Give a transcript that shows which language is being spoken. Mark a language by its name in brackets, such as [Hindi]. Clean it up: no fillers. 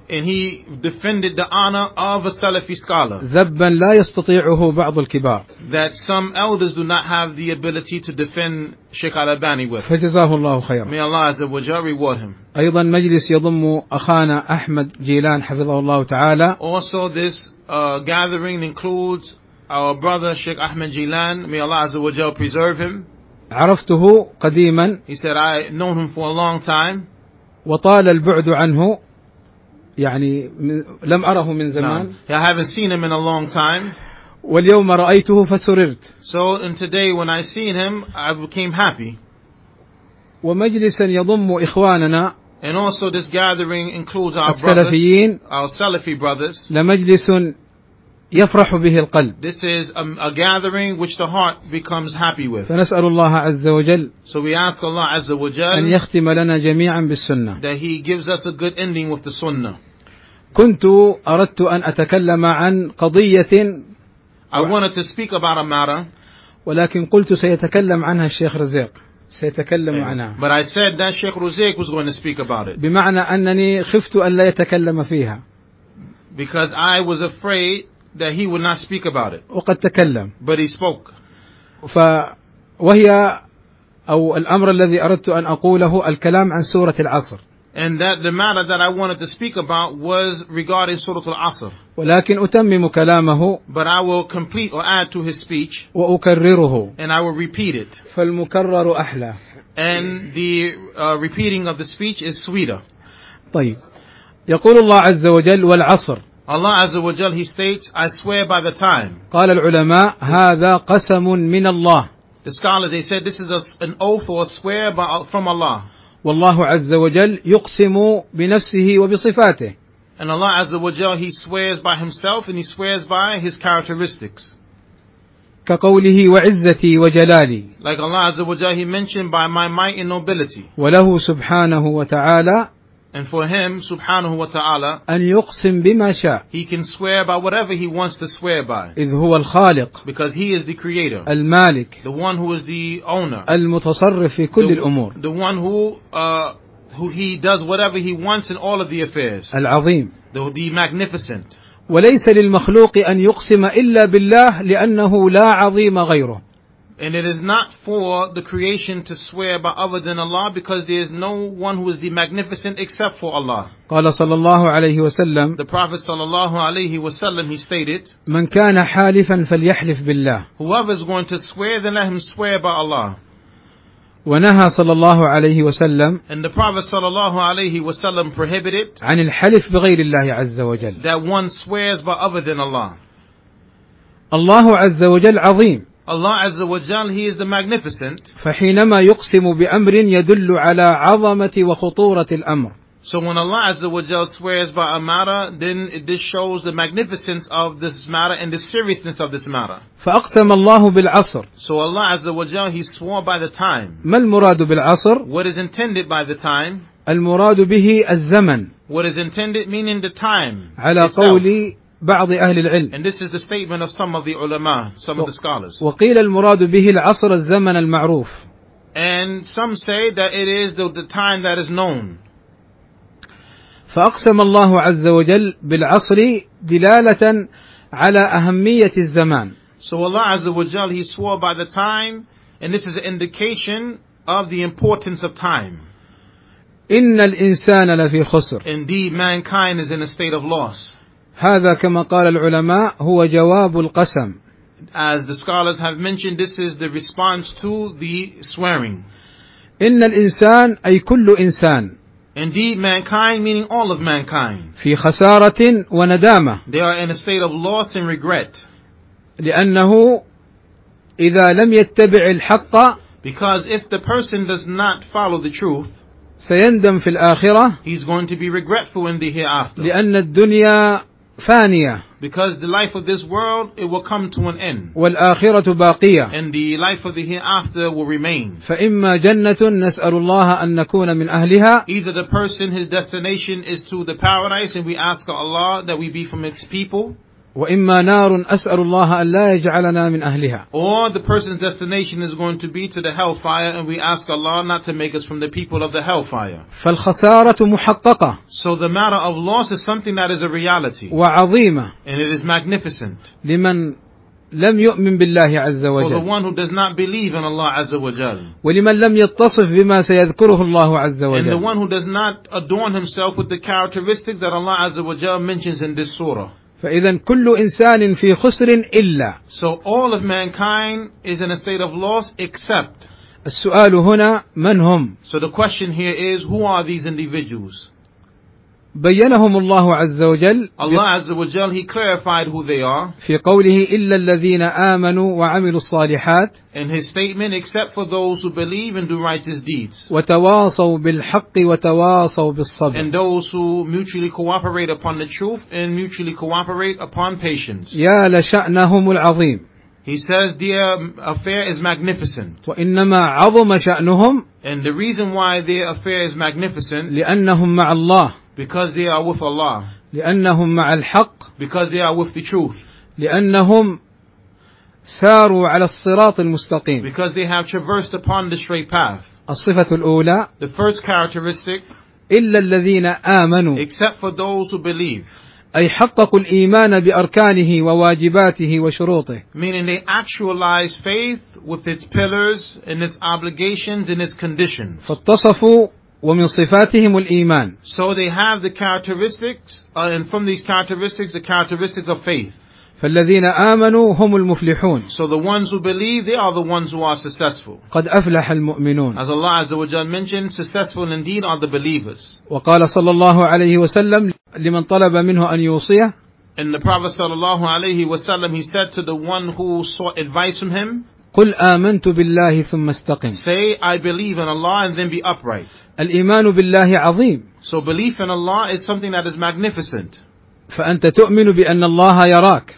[English] And he defended the honor of a Salafi scholar. [Arabic] ذبا لا يستطيعه بعض الكبار. [English] That some elders do not have the ability to defend Sheikh Al-Albani with. [Arabic] فجزاه الله خيرا. [English] May Allah Azza wa Jalla reward him. [Arabic] أيضا مجلس يضم أخانا أحمد جيلان حفظه الله تعالى. [English] Also this gathering includes our brother Sheikh Ahmed Jilan. May Allah Azza wa Jalla preserve him. [Arabic] عرفته قديما. [English] He said, I known him for a long time. [Arabic] وطال البعد عنه, يعني لم أره من زمان. [English] No. I haven't seen him in a long time. [Arabic] واليوم رأيته فسررت. [English] So and today when I seen him, I became happy. [Arabic] ومجلسا يضم إخواننا. [English] And also this gathering includes our السلفيين. Brothers, our Salafi brothers. [Arabic] لمجلس يفرح به القلب. [English] This is a gathering which the heart becomes happy with. [Arabic] فنسأل الله عز وجل. [English] So we ask Allah عز وجل [Arabic] أن يختم لنا جميعا بالسنة. [English] That he gives us a good ending with the sunnah. [Arabic] كنت أردت أن أتكلم عن قضية. [English] I wanted to speak about a matter. [Arabic] ولكن قلت سيتكلم عنها الشيخ رزاق. سيتكلم عنها. [English] But I said that Sheikh Ruzaik was going to speak about it. [Arabic] بمعنى أنني خفت أن لا يتكلم فيها. [English] Because I was afraid that he would not speak about it. [Arabic] وقد تكلم. [English] But he spoke. [Arabic] فوهي أو الأمر الذي أردت أن أقوله الكلام عن سورة العصر. [English] And that the matter that I wanted to speak about was regarding Surah Al-Asr. [Arabic] ولكن أتمم كلامه. [English] But I will complete or add to his speech. [Arabic] وأكرره. [English] And I will repeat it. [Arabic] فالمكرر أحلى. [English] And the repeating of the speech is sweeter. [Arabic] طيب. يقول الله عز وجل والعصر. [English] Allah Azza wa Jalla, he states, I swear by the time. [Arabic] قال العلماء هذا قسم من الله. [English] The scholars, they said this is an oath or a swear from Allah. [Arabic] والله عز وجل يقسم بنفسه وبصفاته. [English] And Allah Azza wa Jalla, he swears by himself and he swears by his characteristics. [Arabic] كقوله وعزتي وجلالي. [English] Like Allah Azza wa Jalla, he mentioned by my might and nobility. [Arabic] وله سبحانه وتعالى. [English] And for him, سبحانه وتعالى. [Arabic] أن يقسم بما شاء. [English] He can swear by whatever he wants to swear by. [Arabic] إذ هو الخالق. [English] Because he is the creator. [Arabic] المالك. [English] The one who is the owner. [Arabic] المتصرف في كل الأمور. [English] The one who he does whatever he wants in all of the affairs. [Arabic] العظيم. [English] The magnificent. [Arabic] وليس للمخلوق أن يقسم إلا بالله لأنه لا عظيم غيره. [English] And it is not for the creation to swear by other than Allah because there is no one who is the magnificent except for Allah. [Arabic] قال صلى الله عليه وسلم. [English] The Prophet صلى الله عليه وسلم, he stated. [Arabic] من كان حالفا فليحلف بالله. [English] Whoever is going to swear, then let him swear by Allah. [Arabic] ونهى صلى الله عليه وسلم. [English] And the Prophet صلى الله عليه وسلم prohibited. [Arabic] عن الحلف بغير الله عز وجل. [English] That one swears by other than Allah. [Arabic] الله عز وجل عظيم. [English] Allah Azza wa Jalla, He is the Magnificent. [Arabic] فحينما يقسم بأمر يدل على عظمة وخطورة الأمر. [English] So when Allah Azza wa Jalla swears by a matter, then this shows the magnificence of this matter and the seriousness of this matter. [Arabic] فأقسم الله بالعصر. [English] So Allah Azza wa Jalla, He swore by the time. [Arabic] ما المراد بالعصر؟ [English] What is intended by the time? [Arabic] المراد به الزمن. [English] What is intended meaning the time. [Arabic] على قولي بعض أهل العلم. [English] And this is the statement of some of the ulama, some of the scholars. [Arabic] وقيل المراد به العصر الزمن المعروف. [English] And some say that it is the time that is known. [Arabic] فأقسم الله عز وجل بالعصر دلالة على أهمية الزمان. [English] So Allah Azza wa Jal, He swore by the time, and this is an indication of the importance of time. [Arabic] إن الإنسان لفي خسر. [English] Indeed, mankind is in a state of loss. [Arabic] هذا كما قال العلماء هو جواب القسم. [English] As the scholars have mentioned, this is the response to the swearing. [Arabic] إن الإنسان أي كل إنسان. [English] Indeed, mankind, meaning all of mankind. [Arabic] في خسارة وندامة. [English] They are in a state of loss and regret. [Arabic] لأنه إذا لم يتبع الحق. [English] Because if the person does not follow the truth. [Arabic] سيندم في الآخرة. [English] He's going to be regretful in the hereafter. [Arabic] لأن الدنيا فانية. [English] Because the life of this world, it will come to an end. [Arabic] والآخرة باقية. [English] And the life of the hereafter will remain. [Arabic] فإما جنة نسأل الله أن نكون من أهلها. [English] Either the person, his destination is to the paradise, and we ask Allah that we be from its people. [Arabic] وإما نار أسأل الله أن لا يجعلنا من أهلها. [English] Or the person's destination is going to be to the hellfire, and we ask Allah not to make us from the people of the hellfire. [Arabic] فالخسارة محققة. [English] So the matter of loss is something that is a reality. [Arabic] وعظيمة. [English] And it is magnificent. [Arabic] لمن لم يؤمن بالله عز وجل. [English] For the one who does not believe in Allah عز وجل. [Arabic] ولمن لم يتصف بما سيذكره الله عز وجل. [English] And the one who does not adorn himself with the characteristics that Allah عز وجل mentions in this surah. [Arabic] فإذا كل إنسان في خسر إلا. [English] So all of mankind is in a state of loss except. [Arabic] السؤال هنا من هم؟ [English] So the question here is who are these individuals? [Arabic] بينهم الله عز وجل. [English] Allah عز وجل he clarified who they are. [Arabic] في قوله إلا الذين آمنوا وعملوا الصالحات. [English] In his statement except for those who believe and do righteous deeds. [Arabic] وتواصوا بالحق وتواصوا بالصبر. [English] And those who mutually cooperate upon the truth and mutually cooperate upon patience. [Arabic] يا لشأنهم العظيم. [English] He says their affair is magnificent. [Arabic] وإنما عظم شأنهم. [English] And the reason why their affair is magnificent. [Arabic] لأنهم مع الله. [English] Because they are with Allah. [Arabic] لأنهم مع الحق. [English] Because they are with the truth. [Arabic] لأنهم ساروا على الصراط المستقيم. [English] Because they have traversed upon the straight path. [Arabic] الصفة الأولى. [English] The first characteristic. [Arabic] إلا الذين آمنوا. [English] Except for those who believe. [Arabic] أي حققوا الإيمان بأركانه وواجباته وشروطه. [English] Meaning they actualize faith with its pillars and its obligations and its conditions. [Arabic] فاتصفوا ومن صفاتهم الإيمان. [English] So they have the characteristics, and from these characteristics, the characteristics of faith. [Arabic] فالذين آمنوا هم المفلحون. [English] So the ones who believe, they are the ones who are successful. [Arabic] قد أفلح المؤمنون. [English] As Allah Azza wa Jalla mentioned, successful indeed are the believers. [Arabic] وقال صلى الله عليه وسلم لمن طلب منه أن يوصيه. [English] And the Prophet صلى الله عليه وسلم, he said to the one who sought advice from him. [Arabic] قل آمنت بالله ثم استقم. [English] Say I believe in Allah and then be upright. [Arabic] الإيمان بالله عظيم. [English] So belief in Allah is something that is magnificent. [Arabic] فأنت تؤمن بأن الله يراك.